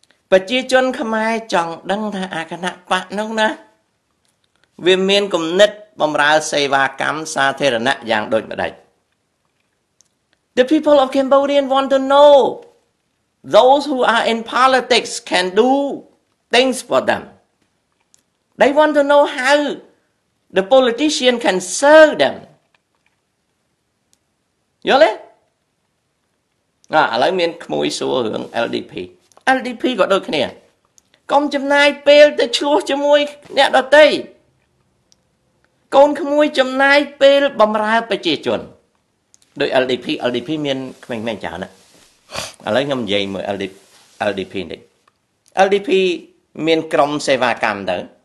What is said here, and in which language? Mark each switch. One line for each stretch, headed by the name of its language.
Khmer: ប្រជាជនខ្មែរចង់ដឹងថាអាគណៈបកនោះណាវាមានគណិតបំរើសេវាកម្មសាធារណៈយ៉ាងដូចម្តេច
English: The people of Cambodia want to know those who are in politics can do things for them. They want to know how the politician can serve them.
Khmer: យល់ទេ? អាឥឡូវមានក្មួយសួររឿង LDP. LDP ក៏ដូចគ្នា។កុំចំណាយពេលទៅឈ្លោះជាមួយអ្នកដទៃ។កូនក្មួយចំណាយពេលបំរើប្រជាជន។ដោយ LDP LDP មានក្មេងៗច្រើនណាស់។ឥឡូវខ្ញុំនិយាយមួយ LDP LDP នេះ។ LDP មានក្រុមសេវាកម្មទៅ